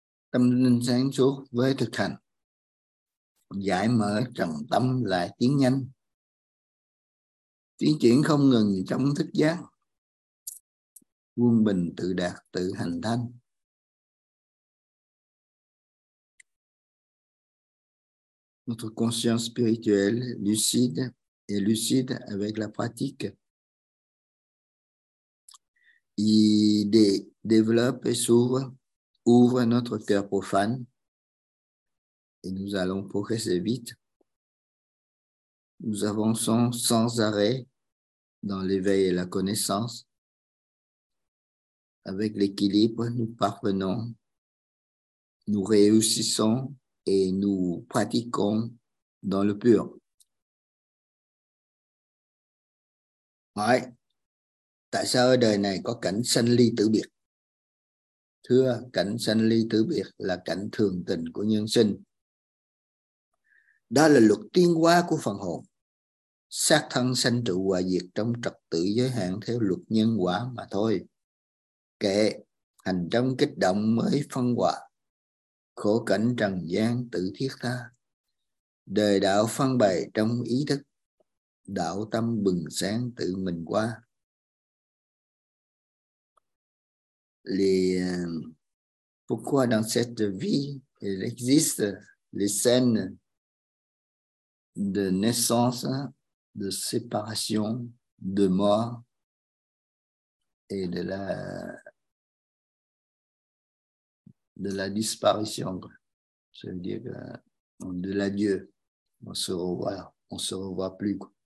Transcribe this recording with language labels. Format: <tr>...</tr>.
<vi>Tâm linh sáng suốt với thực hành, giải mở trần tâm lại tiến nhanh, tiến triển không ngừng trong thức giác, quân bình tự đạt tự hành thanh.</vi> <fr>Notre conscience spirituelle lucide et lucide avec la pratique, il développe et s'ouvre, ouvre notre cœur profane. Et nous allons progresser vite. Nous avançons sans arrêt dans l'éveil et la connaissance. Avec l'équilibre, nous parvenons, nous réussissons et nous pratiquons dans le pur. Ouais.</fr> <vi>Tại sao ở đời này có cảnh sanh ly tử biệt? Thưa, cảnh sanh ly tử biệt là cảnh thường tình của nhân sinh. Đó là luật tiến hóa của phần hồn. Xác thân sanh trụ hòa diệt trong trật tự giới hạn theo luật nhân quả mà thôi. Kệ, hành trong kích động mới phân hòa. Khổ cảnh trần gian tự thiết tha. Đời đạo phân bày trong ý thức. Đạo tâm bừng sáng tự mình qua.</vi> <fr>Pourquoi dans cette vie il existe les scènes de naissance, de séparation, de mort et de la disparition, ça veut dire de l'adieu, on se revoit plus.</fr>